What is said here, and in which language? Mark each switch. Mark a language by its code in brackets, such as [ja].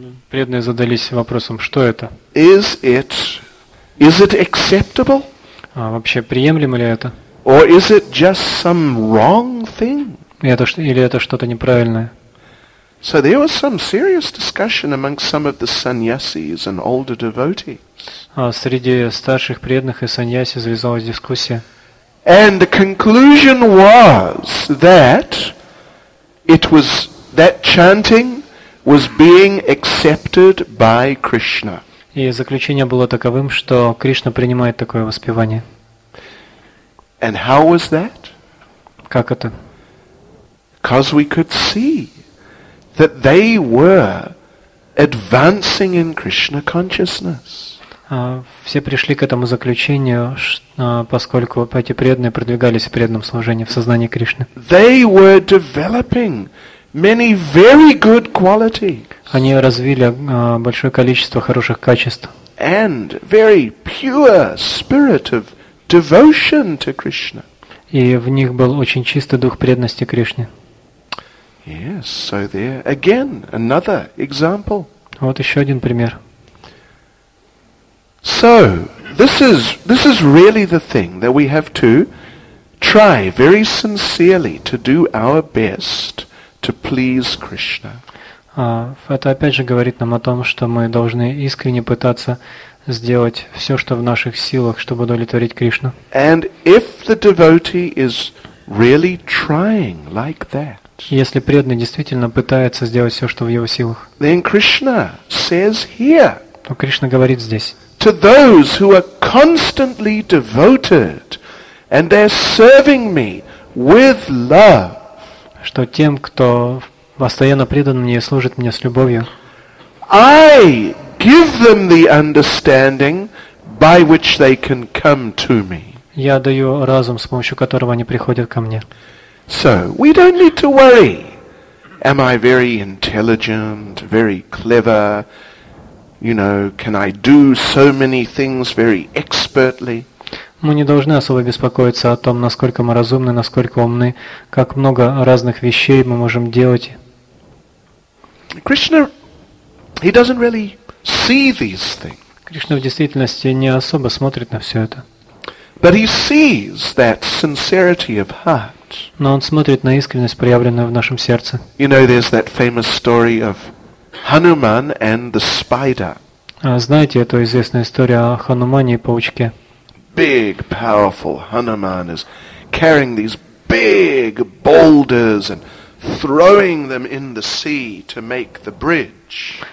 [ru] Преданные задались вопросом, что это? [en] Is it acceptable? [ru] А вообще приемлемо ли это? [en] Or is it just some wrong thing? [ru] Или это что-то неправильное? [en] So there was some serious discussion among some of the sannyasis and older devotees. [ru] Среди старших преданных и саньяси завязалась дискуссия. [en] And the conclusion was that it was that chanting was being accepted by Krishna. [ru] И заключение было таковым, что Кришна принимает такое воспевание. [en] And how was that? [ru] Как это? [en] Because we could see that they were advancing in Krishna consciousness. [ru] Все пришли к этому заключению, поскольку эти преданные продвигались в преданном служении в сознании Кришны. [en] They were developing many very good qualities. [ru] Они развили большое количество хороших качеств. [en] And very pure spirit of devotion to Krishna. [ru] И в них был очень чистый дух преданности Кришне. [en] Yes, so there again another example. [ru] Вот еще один пример. [en] So this is really the thing that we have to try very sincerely to do our best to please Krishna. [ru] Это опять же говорит нам о том, что мы должны искренне пытаться сделать все, что в наших силах, чтобы удовлетворить Кришну. [en] And if the devotee is really trying like that. [ru] Если преданный действительно пытается сделать все, что в его силах, [en] then Krishna says here, [ru] то Кришна говорит здесь, [en] to those who are constantly devoted and they're serving me with love, [ru] что тем, кто постоянно предан мне и служит мне с любовью, [en] I give them the understanding by which they can come to me. [ru] Я даю разум, с помощью которого они приходят ко мне. [en] So we don't need to worry. Am I very intelligent, very clever? You know, can I do so many things very expertly? [ru] Мы не должны особо беспокоиться о том, насколько мы разумны, насколько умны, как много разных вещей мы можем делать. [en] Krishna, he doesn't really see these things. [ru] Кришна в действительности не особо смотрит на все это. [en] But he sees that sincerity of heart. [ru] Но он смотрит на искренность, проявленную в нашем сердце. [en] You know, there's that famous story of Hanuman and the spider. [ru] Знаете эту известную историю о Ханумане и паучке? [en] Big, powerful Hanuman is carrying these big boulders and throwing them in the sea to make the bridge.